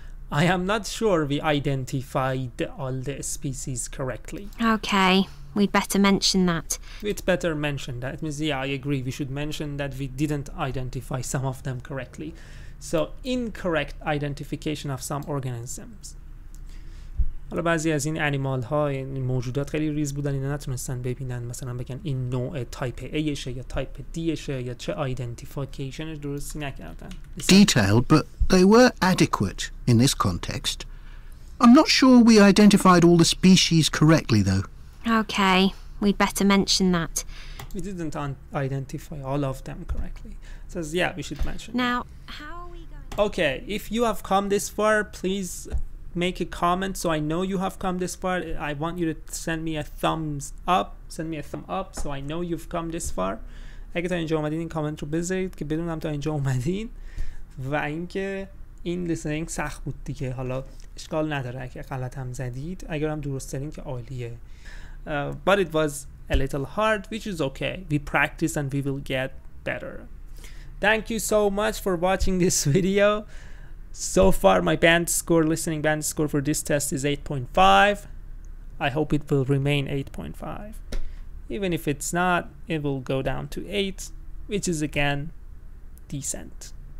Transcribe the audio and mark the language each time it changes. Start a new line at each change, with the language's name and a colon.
English: I am not sure we identified all the species correctly. Okay, we'd better mention that. We'd better mention that. Yeah, I agree. We should mention that we didn't identify some of them correctly. So, incorrect identification of some organisms.
Persian: حالا بعضی از این انیمال ها این موجودات خیلی ریز بودن اینا نتونستن ببینن مثلا بگن این نوع تایپ ایشه یا تایپ دیشه یا چه ایدنتیفیکیشنش درستی نکردن
English: Detailed, but they were adequate in this context. I'm not sure we identified all the species correctly though. Okay, we'd better mention that. We didn't identify all of them correctly. So yeah, we should mention Now, how are we going Okay, if you have come this far, please make a comment so I know you have come this far. I want you to send me a thumbs up. Send me a thumb up so I know you've come this far.
Persian: اگه تا اینجا اومدین این کامنت رو بذارید که بدونم تا اینجا اومدین و اینکه این لیسنینگ سخت بود دیگه حالا اشکال نداره اگه غلط هم زدید اگر هم درست دارین که عالیه
English: but it was a little hard which is okay. We practice and we will get better. Thank you so much for watching this video. So far, my band score, listening band score for this test is 8.5. I hope it will remain 8.5. Even if it's not, it will go down to 8, which is again decent.